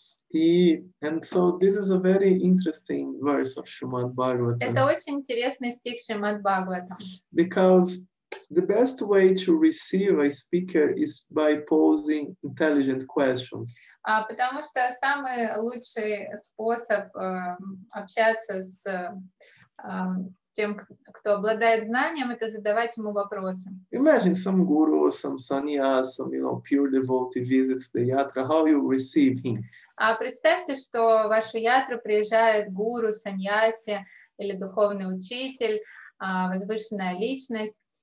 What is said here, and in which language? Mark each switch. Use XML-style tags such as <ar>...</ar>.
<en>And so this is a very interesting verse of Shrimad Bhagavatam.</en> <ru>Это очень интересный стих Шримад Бхагаватам.</ru> <en>Because the best way to receive a speaker is by posing intelligent questions.</en> <ru>Потому что самый лучший способ общаться с тем, кто обладает знанием, это задавать ему вопросы.</ru> <en>Imagine some guru or some sannyas, some, you know, pure devotee visits the yatra. How you receive him?</en> <ru>Представьте, что в вашу ятру приезжает гуру, саньяси или духовный учитель, возвышенная личность.</ru>